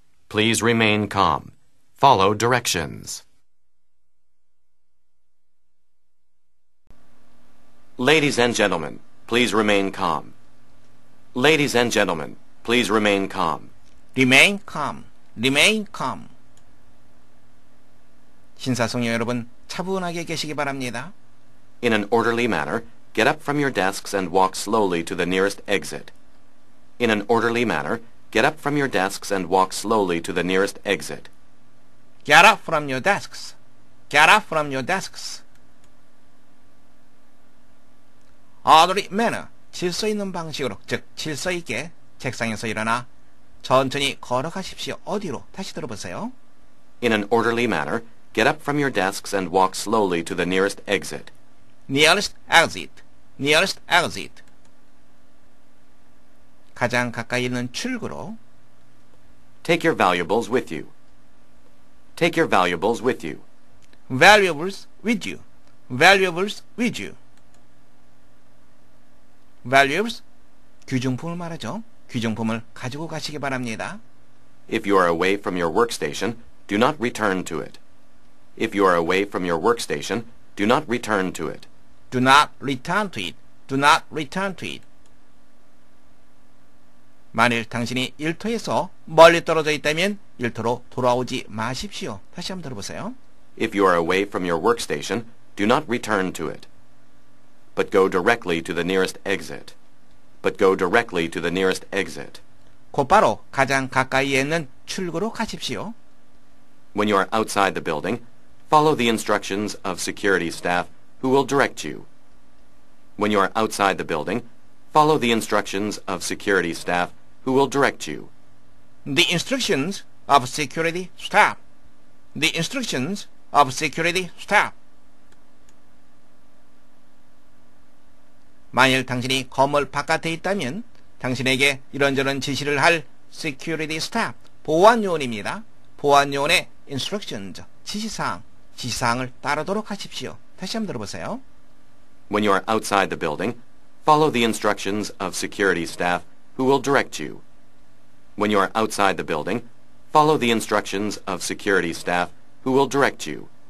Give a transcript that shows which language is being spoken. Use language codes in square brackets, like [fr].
[en] Please remain calm. Follow directions. Ladies and gentlemen, please remain calm. Ladies and gentlemen, please remain calm. Remain calm. Remain calm. [ko] 신사숙녀 여러분, 차분하게 계시기 바랍니다. [en] In an orderly manner, get up from your desks and walk slowly to the nearest exit. In an orderly manner, get up from your desks and walk slowly to the nearest exit. Get up from your desks. Get up from your desks. Orderly manner, [ko] 질서 있는 방식으로, 즉 질서 있게 책상에서 일어나 천천히 걸어가십시오. 어디로? 다시 들어보세요. [en] In an orderly manner, get up from your desks and walk slowly to the nearest exit. Nearest exit, nearest exit. [ko] 가장 가까이 있는 출구로. [en] Take your valuables with you. Take your valuables with you. Valuables with you, valuables with you. [ko] Valuables, 귀중품을 말하죠. 귀중품을 가지고 가시기 바랍니다. [en] If you are away from your workstation, do not return to it. If you are away from your workstation, do not return to it. Do not return to it. Do not return to it. [ko] 만일 당신이 일터에서 멀리 떨어져 있다면 일터로 돌아오지 마십시오. 다시 한번 들어보세요. [en] If you are away from your workstation, do not return to it. But go directly to the nearest exit. But go directly to the nearest exit. [ko] 곧바로 가장 가까이에 있는 출구로 가십시오. [en] When you are outside the building, follow the instructions of security staff who will direct you. When you are outside the building, follow the instructions of security staff who will direct you. The instructions of security staff. The instructions of security staff. [ko] 만일 당신이 건물 바깥에 있다면 당신에게 이런저런 지시를 할 [en] security staff, [ko] 보안요원입니다. 보안요원의 instructions, 지시사항, 지시사항을 따르도록 하십시오. 다시 한번 들어보세요. [en] When you are outside the building, follow the instructions of security staff who will direct you. When you are outside the building, follow the instructions of security staff who will direct you.